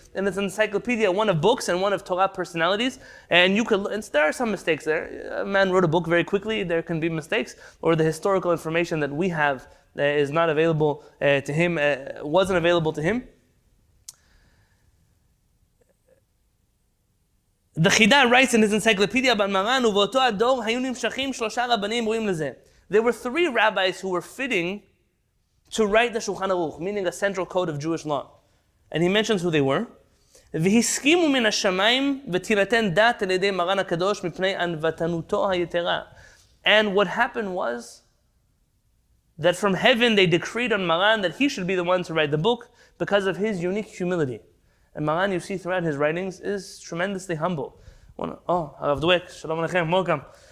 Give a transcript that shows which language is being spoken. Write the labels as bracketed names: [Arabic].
[English] And it's an encyclopedia, one of books and one of Torah personalities. And you could, and there are some mistakes there. A man wrote a book very quickly, there can be mistakes, or the historical information that we have is not available to him, wasn't available to him. The Chida writes in his encyclopedia about Maran, [Hebrew] ובאותו הדור היו נמשכים שלושה רבנים רואים לזה. [English] There were three rabbis who were fitting to write the Shulchan Aruch, meaning a central code of Jewish law. And he mentions who they were. [Hebrew] והסכימו מן השמיים ותינתן דת על ידי מרן הקדוש מפני ענוותנותו היתרה. [English] And what happened was that from heaven they decreed on Maran that he should be the one to write the book because of his unique humility. And Maran, you see throughout his writings, is tremendously humble. Oh, Harav Dweck, Shalom Aleichem, welcome.